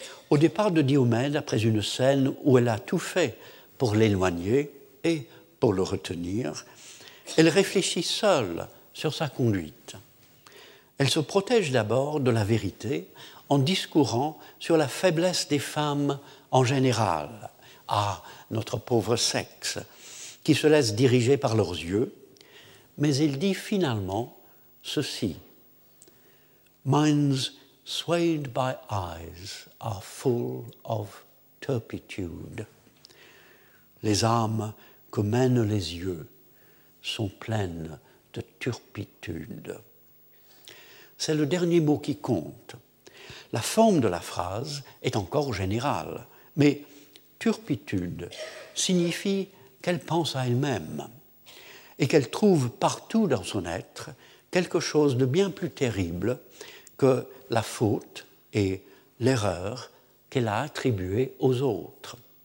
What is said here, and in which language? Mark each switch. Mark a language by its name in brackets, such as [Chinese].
[French] Au départ de Diomède, après une scène où elle a tout fait pour l'éloigner et pour le retenir, elle réfléchit seule sur sa conduite. Elle se protège d'abord de la vérité en discourant sur la faiblesse des femmes en général. Ah, notre pauvre sexe, qui se laisse diriger par leurs yeux. Mais il dit finalement ceci. [English] Minds swayed by eyes are full of turpitude. [French] Les âmes que mènent les yeux sont pleines de turpitude. C'est le dernier mot qui compte. La forme de la phrase est encore générale, mais turpitude signifie qu'elle pense à elle-même et qu'elle trouve partout dans son être quelque chose de bien plus terrible que la faute et l'erreur qu'elle a attribuée aux autres.